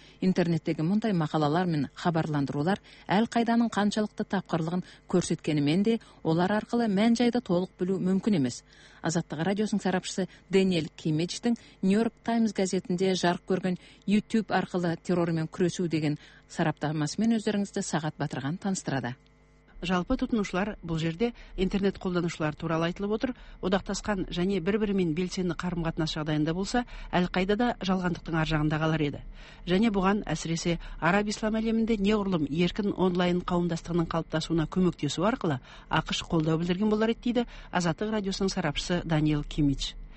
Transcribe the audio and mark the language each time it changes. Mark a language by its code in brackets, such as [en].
[kk] Интернеттегі мұндай мақалалар мен хабарландырулар әл қайданың қаншалықты тапқырлығын көрсеткенімен де олар арқылы мән-жайды толық білу мүмкін емес. Азаттық радиосының сарапшысы Дэниел Кимечтің Нью-Йорк Таймс газетінде жарық көрген YouTube арқылы террормен күресу деген сараптамасымен өздеріңізді Сағат Батырған таныстырады. [ky] жалпы тутунушулар бул жерде интернет колдонуучулар тууралуу айтылып отур. [kk] Одактасқан және бір-бірі мен белсенді қарым-қатынас жағдайында болса, әл қайда да жалғандықтың ар жағында қалар еді. Және бұған әсіресе араб ислам әлемінде неғұрлым еркін онлайн қауымдастығының қалыптасуына көмектесу арқылы ақыш қолдау білдірген болар еді, дейді Азаттық радиосының сарапшысы Даниэль Кимич.